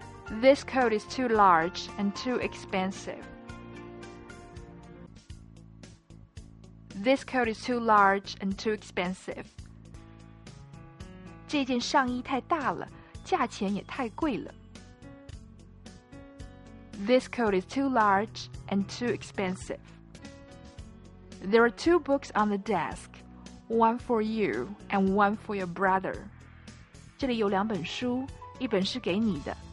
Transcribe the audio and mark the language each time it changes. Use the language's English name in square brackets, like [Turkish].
[English] This coat is too large and too expensive. This coat is too large and too expensive. [Chinese] 这件上衣太大了，价钱也太贵了。 [English] This coat is too large and too expensive. There are two books on the desk, one for you and one for your brother. [Chinese] 这里有两本书，一本是给你的。